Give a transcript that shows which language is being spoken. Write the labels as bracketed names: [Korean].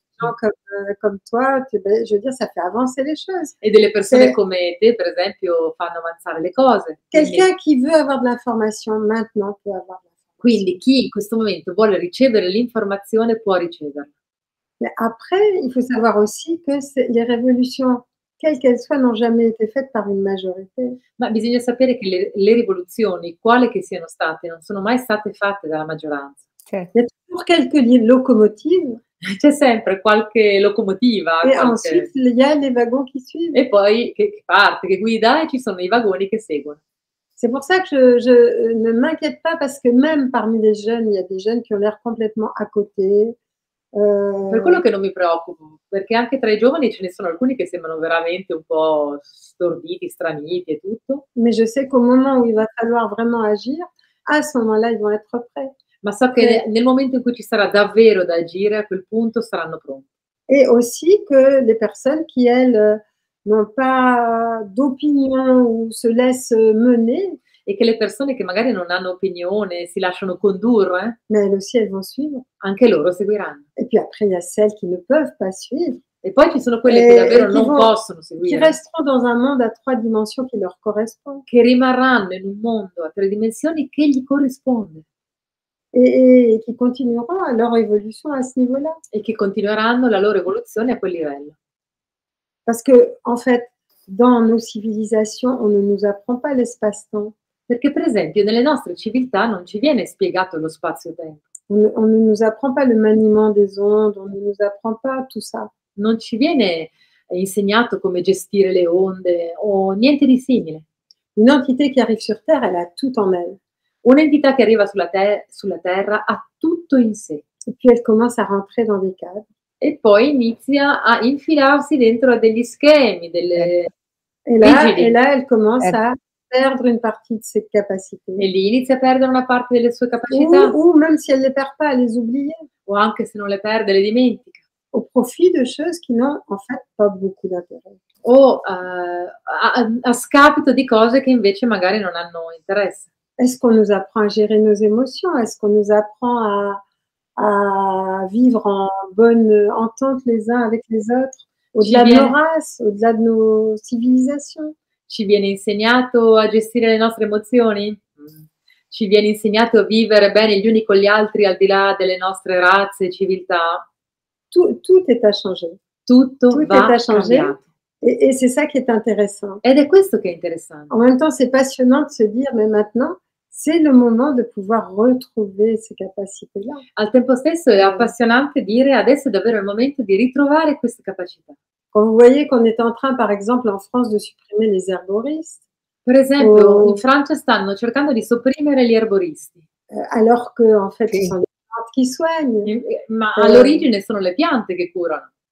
[French] gens comme toi, je veux dire, ça fait avancer les choses. [Italian] Et delle persone come te, per esempio, fanno avanzare le cose. [French] Quelqu'un qui veut avoir de l'information maintenant peut avoir. [Italian] Quindi chi in questo momento vuole ricevere l'informazione può riceverla. [French] Mais après, il faut savoir aussi que les révolutions, quelles qu'elles soient, n'ont jamais été faites par une majorité. [Italian] Ma bisogna sapere che le rivoluzioni, quale che siano state, non sono mai state fatte dalla maggioranza. [French] Il y a toujours quelques locomotives. [Italian] C'è sempre qualche locomotiva. [French] Et ensuite, il y a les wagons qui suivent. [Italian] E poi che parte, che guida, e ci sono i vagoni che seguono. [French] C'est pour ça que je ne m'inquiète pas, parce que même parmi les jeunes, il y a des jeunes qui ont l'air complètement à côté. [Italian] Per quello che non mi preoccupo, perché anche tra i giovani ce ne sono alcuni che sembrano veramente un po' storditi, straniti e tutto. [French] Mais je sais qu'au moment où il va falloir vraiment agir, à ce moment-là, ils vont être prêts. [Italian] Ma so che nel momento in cui ci sarà davvero da agire, a quel punto saranno pronti. [French] E aussi que les personnes qui, elles, n'ont pas d'opinion ou se laissent mener. [Italian] E che le persone che magari non hanno opinione si lasciano condurre. [French] Mais elles aussi, elles vont suivre. [Italian] Anche loro seguiranno. [French] Et puis après, il y a celles qui ne peuvent pas suivre. [Italian] E poi ci sono quelle che davvero non possono seguire. [French] Qui resteront dans un monde à trois dimensions qui leur correspond. [Italian] Che rimarranno in un mondo a tre dimensioni che gli corrisponde. [French] Et qui continueront leur évolution à ce niveau-là. [Italian] E che continueranno la loro evoluzione a quel livello. [French] Parce que, en fait, dans nos civilisations, on ne nous apprend pas l'espace-temps. [Italian] Perché, per esempio, nelle nostre civiltà non ci viene spiegato lo spazio-tempo. [French] On ne nous apprend pas le maniement des ondes, on ne nous apprend pas tout ça. [Italian] Non ci viene insegnato come gestire le onde o niente di simile. [French] Une entité qui arrive sur Terre, elle a tout en elle. [Italian] Un'entità che arriva sulla Terra ha tutto in sé. [French] Et puis elle commence à rentrer dans des cadres. [Italian] E poi inizia a infilarsi dentro a degli schemi, delle rigidi. [French] E là elle commence a perdre une partie de ses capacités. [Italian] E lì inizia a perdere una parte delle sue capacità. [French] Ou même si elle les perd pas, les oublie. [Italian] O anche se non le perde, le dimentica. [French] Au profit de choses qui n'ont en fait pas beaucoup d'intérêt. [Italian] O a scapito di cose che invece magari non hanno interesse. [French] Est-ce qu'on nous apprend à gérer nos émotions? Est-ce qu'on nous apprend à vivre en bonne entente les uns avec les autres, au-delà de nos races, au-delà de nos civilisations? [Italian] Ci viene insegnato a gestire le nostre emozioni? Ci viene insegnato a vivere bene gli uni con gli altri al di là delle nostre razze e civiltà? [French] Tout est à changer. [Italian] Tutto va a cambiare. [French] Et c'est ça qui est intéressant. [Italian] Ed è questo che è interessante. [French] En même temps, c'est passionnant de se dire, mais maintenant, c'est le moment de pouvoir retrouver ces capacités-là. [Italian] Al tempo stesso è appassionante dire, adesso è davvero il momento di ritrovare queste capacità. [French] Quand vous voyez qu'on est en train, par exemple, en France, de supprimer les herboristes. [Italian] Per esempio, in Francia stanno cercando di sopprimere gli erboristi. [French] Alors que, en fait, ce sont les plantes qui soignent. [Italian] Ma all'origine sono le piante che curano.